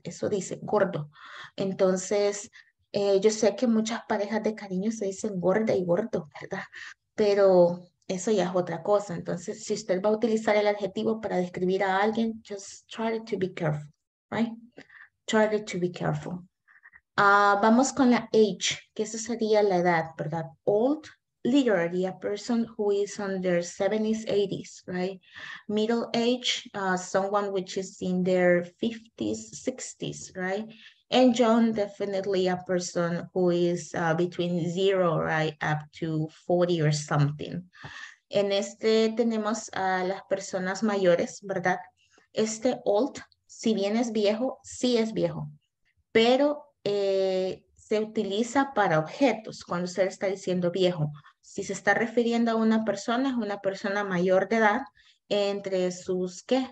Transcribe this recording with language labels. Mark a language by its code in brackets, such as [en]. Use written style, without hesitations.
[es] Eso dice gordo. Entonces, yo sé que muchas parejas de cariño se dicen gorda y gordo, ¿verdad? Pero eso ya es otra cosa. Entonces, si usted va a utilizar el adjetivo para describir a alguien, [en] just try to be careful, right? Try to be careful. [es] Vamos con la age, que eso sería la edad, ¿verdad? [en] Old, literally a person who is in their 70s, 80s, right? Middle age, someone which is in their 50s, 60s, right? And young, definitely a person who is between zero, right, up to 40 or something. [es] En este tenemos a las personas mayores, ¿verdad? Este old, si bien es viejo, sí es viejo, pero se utiliza para objetos cuando se está diciendo viejo. Si se está refiriendo a una persona, es una persona mayor de edad, entre sus, ¿qué?